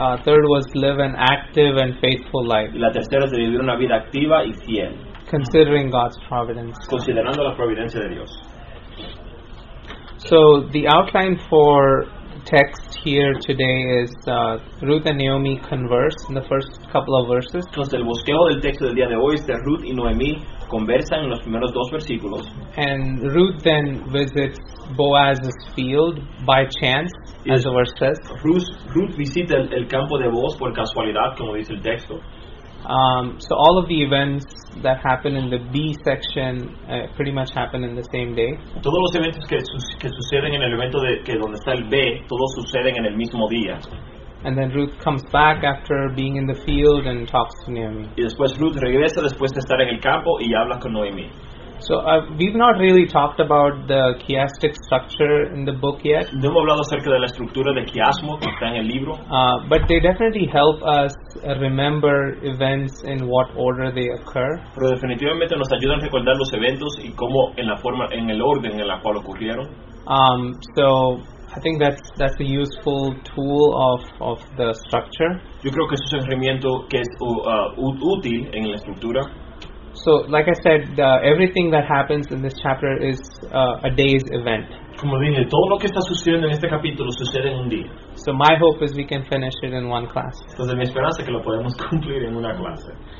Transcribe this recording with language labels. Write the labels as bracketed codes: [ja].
[en] Third was live an active and faithful life. [es] Y la tercera es de vivir una vida activa y fiel. [en] Considering God's providence. [es] Considerando la providencia de Dios. [en] So the outline for text here today is Ruth and Naomi converse in the first couple of verses. [es] Entonces, el bosqueo del texto del día de hoy es de Ruth y Noemí conversan en los primeros dos versículos. [en] And Ruth then visits Boaz's field by chance, y as the verse says. [es] Ruth visita el campo de Boaz por casualidad, como dice el texto. [en] So all of the events that happen in the B section pretty much happen in the same day. [es] Todos los eventos que suceden en el evento que donde está el B, todos suceden en el mismo día. [en] And then Ruth comes back after being in the field and talks to Naomi. [es] Y después Ruth regresa después de estar en el campo y habla con Noemi. [en] So we've not really talked about the chiastic structure in the book yet. [es] No hemos hablado acerca de la estructura de chiasmo que está en el libro. [en] But they definitely help us remember events in what order they occur. [es] Pero definitivamente nos ayudan a recordar los eventos y cómo en la forma, en el orden en la cual ocurrieron. [en] So I think that's a useful tool of the structure. [es] Yo creo que eso es un herramienta que es útil en la estructura. [en] So, like I said, everything that happens in this chapter is a day's event. [es] Como dije, todo lo que está sucediendo en este capítulo sucede en un día. [en] So my hope is we can finish it in one class. [es] Entonces, mi esperanza es que lo podemos cumplir en una clase.